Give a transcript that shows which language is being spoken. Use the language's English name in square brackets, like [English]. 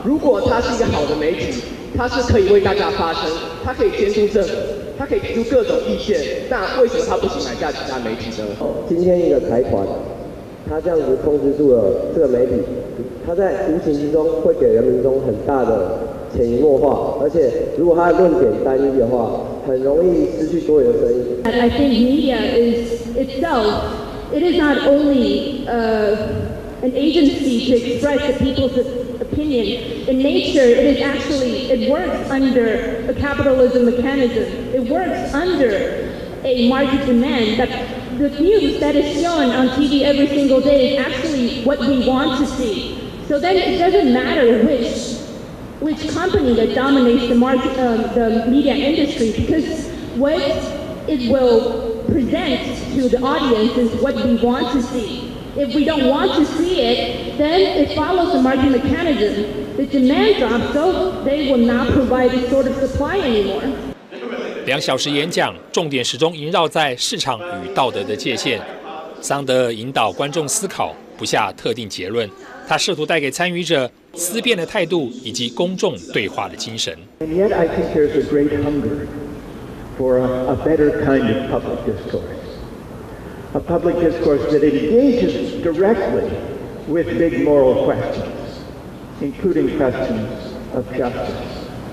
[Chinese] 如果它是一个好的媒体，它是可以为大家发声，它可以监督政府，它可以提出各种意见，那为什么它不行买下其他媒体呢？今天一个财团，他这样子控制住了这个媒体，他在无形之中会给人民中很大的潜移默化，而且如果他的论点单一的话，很容易失去多元的声音。 [English] I think media is itself, it is not only an agency to express the people's opinion. In nature, it is actually, it works under a capitalism mechanism. It works under a market demand that. The news that is shown on TV every single day is actually what we want to see. So then it doesn't matter which company that dominates the market, the media industry, because what it will present to the audience is what we want to see. If we don't want to see it, then it follows the market mechanism. The demand drops, so they will not provide this sort of supply anymore. [Chinese] 两小时演讲，重点始终萦绕在市场与道德的界限。桑德尔引导观众思考，不下特定结论。他试图带给参与者思辨的态度以及公众对话的精神。 [English] And yet, I think there's a great hunger for a better kind of public discourse. A public discourse that engages directly with big moral questions, including questions of justice.